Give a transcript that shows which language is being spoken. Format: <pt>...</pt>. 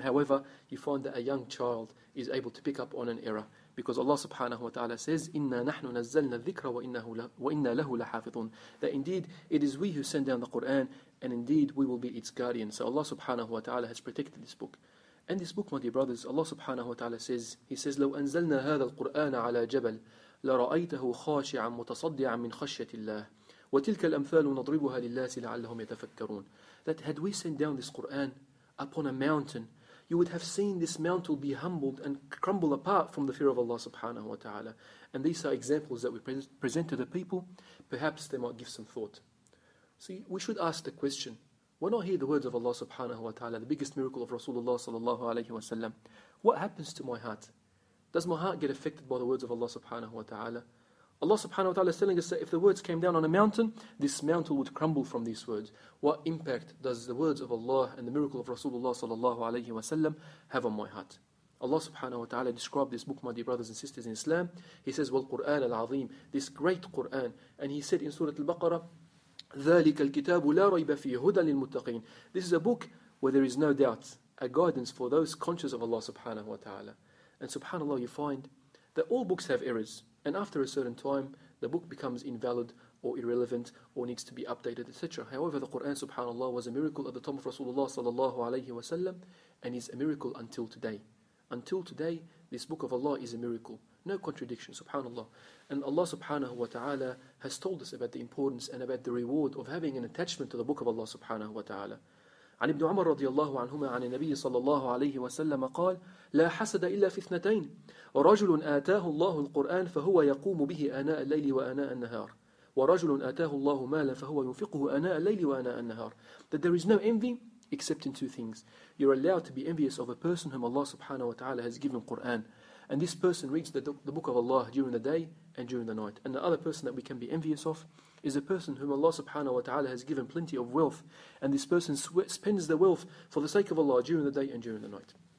<en>However, you find that a young child is able to pick up on an error. Because Allah subhanahu wa ta'ala says,</en> <ar>إِنَّا نَحْنُ نَزَّلْنَا الذِّكْرَ وَإِنَّا لَهُ لَحَافِظٌ.</ar> <en>That indeed, it is we who send down the Qur'an, and indeed, we will be its guardian. So Allah subhanahu wa ta'ala has protected this book. And this book, my dear brothers, Allah subhanahu wa ta'ala says, He says,</en> <ar>لَوْ أَنزَلْنَا هَذَا الْقُرْآنَ عَلَى جَبَلٍ لَرَأَيْتَهُ خَاشِعًا مُتَصَدِّعًا مِنْ خَشْيَةِ اللَّهِ. وَتِلْكَ الْأَمْثَالُ نَضْرِبُهَا لِلَّاسِ لَعَلَّهُمْ يَتَفَكَّرُونَ.</ar> <en>That had we sent down this Qur'an upon a mountain, you would have seen this mountain be humbled and crumble apart from the fear of Allah subhanahu wa ta'ala. And these are examples that we present to the people. Perhaps they might give some thought. See, we should ask the question, why not hear the words of Allah subhanahu wa ta'ala, the biggest miracle of Rasulullah sallallahu alayhi wa sallam? What happens to my heart? Does my heart get affected by the words of Allah subhanahu wa ta'ala? Allah subhanahu wa ta'ala is telling us that if the words came down on a mountain, this mountain would crumble from these words. What impact does the words of Allah and the miracle of Rasulullah sallallahu alayhi wa sallam have on my heart? Allah subhanahu wa ta'ala described this book, my dear brothers and sisters in Islam. He says,</en> <ar>وَالْقُرْآنَ الْعَظِيمِ,</ar> <en>this great Qur'an. And he said in Surah Al-Baqarah,</en> <ar>ذَلِكَ الْكِتَابُ لَا رَيْبَ فِي هُدًى لِلْمُتَّقِينَ.</ar> <en>This is a book where there is no doubt, a guidance for those conscious of Allah subhanahu wa ta'ala. And subhanAllah, you find that all books have errors. And after a certain time, the book becomes invalid or irrelevant or needs to be updated, etc. However, the Qur'an, subhanAllah, was a miracle at the time of Rasulullah sallallahu alayhi wa sallam and is a miracle until today. Until today, this book of Allah is a miracle. No contradiction, subhanAllah. And Allah subhanahu wa ta'ala has told us about the importance and about the reward of having an attachment to the book of Allah subhanahu wa ta'ala.</en> <ar>عن ابن عمر رضي الله عنهما عن النبي صلى الله عليه وسلم قال لا حسد إلا في اثنتين رجل آتاه الله القرآن فهو يقوم به آناء الليل وآناء النهار ورجل آتاه الله مالا فهو ينفقه آناء الليل وآناء النهار.</ar> <en>That there is no envy except in two things. You're allowed to be envious of a person whom Allah subhanahu wa ta'ala has given Qur'an, and this person reads the book of Allah during the day and during the night. And the other person that we can be envious of is a person whom Allah subhanahu wa ta'ala has given plenty of wealth, and this person spends the wealth for the sake of Allah during the day and during the night.</en>